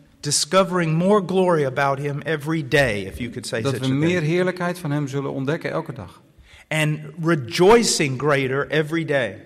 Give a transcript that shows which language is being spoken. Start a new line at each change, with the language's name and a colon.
English: Discovering more glory about him every day, if you could say such a thing.
Dutch: Dat we meer heerlijkheid van hem zullen ontdekken elke dag.
English: And rejoicing greater every day.